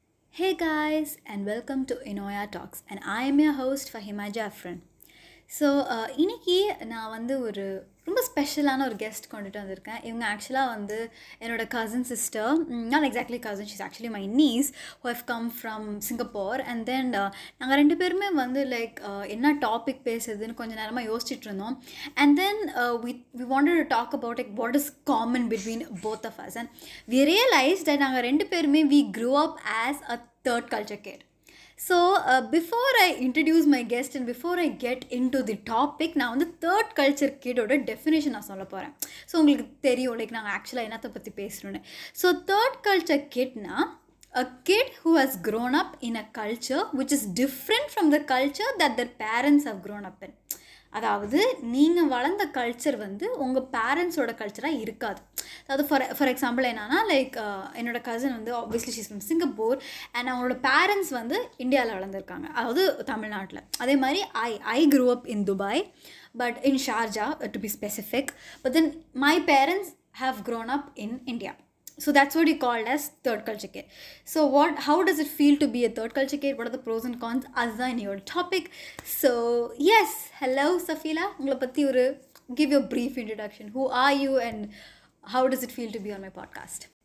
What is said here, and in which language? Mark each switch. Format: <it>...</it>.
<en>Hey guys, and welcome to Inoya Talks, and I am your host Fahima Jaffran.</en> <ta>So, இன்னைக்கு நான் வந்து ஒரு ரொம்ப ஸ்பெஷலான ஒரு கெஸ்ட் கொண்டுட்டு வந்திருக்கேன். இவங்க ஆக்சுவலாக வந்து என்னோட</ta> <en>Cousin sister, not exactly cousin, she's actually my niece who have come from Singapore.</en> <ta>And then நாங்கள் ரெண்டு பேருமே வந்து லைக் என்ன டாபிக் பேசுறதுன்னு கொஞ்சம் நேரமாக யோசிச்சிட்ருந்தோம்.</ta> <en>And then we wanted to talk about like what is common between both of us. And we realise that</en> <ta>நாங்கள் ரெண்டு பேருமே</ta> <en>We grew up as a third culture kid. So, before I introduce my guest and before I get into the topic, now the third culture kid</en> <ta>oda definition na solla poren.</ta> <en>So,</en> <ta>ungalku theriyum like na actually enna pathi pesrunu.</ta> <en>So, third culture kid na a kid who has grown up in a culture which is different from the culture that their parents have grown up in.</en> <ta>அதாவது நீங்கள் வளர்ந்த culture வந்து உங்கள் பேரண்ட்ஸோட கல்ச்சராக இருக்காது. அதாவது for example என்னன்னா like என்னோட கசின் வந்து obviously she's from Singapore and அவங்களோட பேரண்ட்ஸ் வந்து இந்தியாவில் வளர்ந்துருக்காங்க, அதாவது தமிழ்நாட்டில். அதே மாதிரி</ta> <en>I grew up in Dubai but in Sharjah to be specific, but then my parents have grown up in India. So that's what you called as third culture kid. So what, how does it feel to be a third culture kid? What are the pros and cons? As in your topic. So yes, hello Safila,</en> <ta>ungala patti oru</ta> <en>give you a brief introduction. Who are you and how does it feel to be on my podcast?</en>